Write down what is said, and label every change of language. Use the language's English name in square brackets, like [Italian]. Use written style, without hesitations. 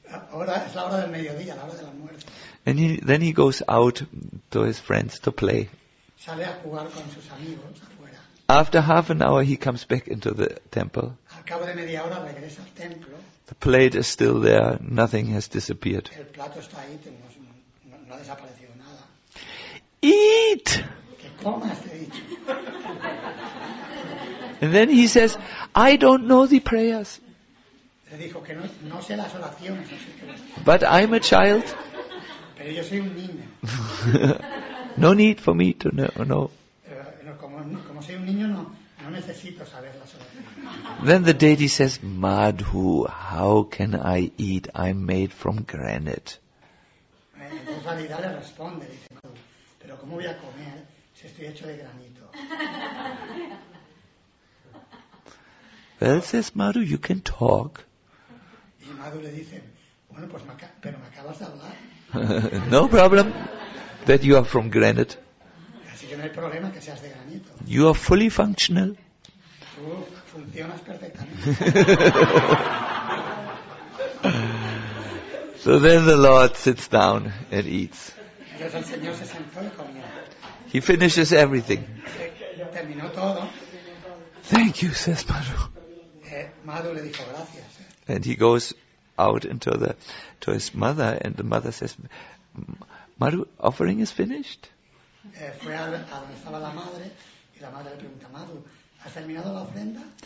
[Spanish] Ahora es la hora del mediodía, la hora de la muerte. [English] And then he goes out to his friends to play. [Spanish] Sale a jugar con sus amigos afuera. [English] After half an hour, he comes back into the temple. [Spanish] Al cabo de media hora regresa al templo. [English] The plate is still there. Nothing has disappeared. [Spanish] El plato está ahí, no ha desaparecido nada. [English] Eat! [Spanish] Que comas, te he dicho. [English] And then he says, "I don't know the prayers." [Spanish] Le dijo que no sé las oraciones. [English] But I'm a child. [Spanish] Pero yo soy un niño. [English] No need for me to know. [Spanish] Como soy un niño, no necesito saber las oraciones. [English] Then the deity says, "Madhu, how can I eat? I'm made from granite." [Spanish] Entonces la deidad le responde, dice Madhu, "Pero ¿cómo voy a comer si estoy hecho de granito?" [English] Well, says Madhu, "You can talk." [Spanish] Y Madhu le dice, "Bueno, pues pero me acabas de hablar." [English] No problem that you are from granite. [Spanish] Así que no hay problema que seas de granito. [English] You are fully functional. [Spanish] Funcionas perfectamente. [English] So then the Lord sits down and eats. [Spanish] Entonces el Señor se sentó y comió. [English] He finishes everything. [Spanish] Terminó todo. [English] "Thank you," says Madhu. [Spanish] Madhu le dijo gracias. [English] And he goes out to his mother, and the mother says, "Madhu, offering is finished." [Spanish] Fue a donde estaba la madre y la madre le pregunta: "Madhu, ¿has terminado la ofrenda?"